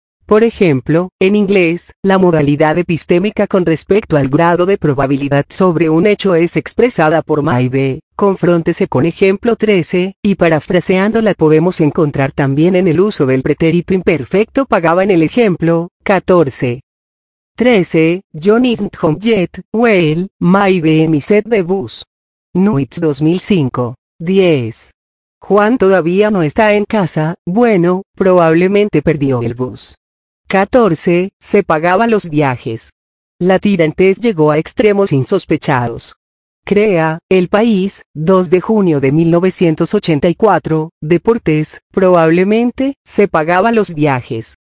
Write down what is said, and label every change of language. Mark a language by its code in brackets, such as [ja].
[es] Por ejemplo, en inglés, la modalidad epistémica con respecto al grado de probabilidad sobre un hecho es expresada por Maybe. Confróntese con ejemplo 13, y parafraseándola podemos encontrar también en el uso del pretérito imperfecto pagaba en el ejemplo 14. [en] 13, John isn't home yet, well, Maybe he set the bus. Nuits 2005, 10. [es] Juan todavía no está en casa, bueno, probablemente perdió el bus. 14, se pagaba los viajes. La tirantez llegó a extremos insospechados. Crea, El País, 2 de junio de 1984, Deportes, probablemente, se pagaba los viajes.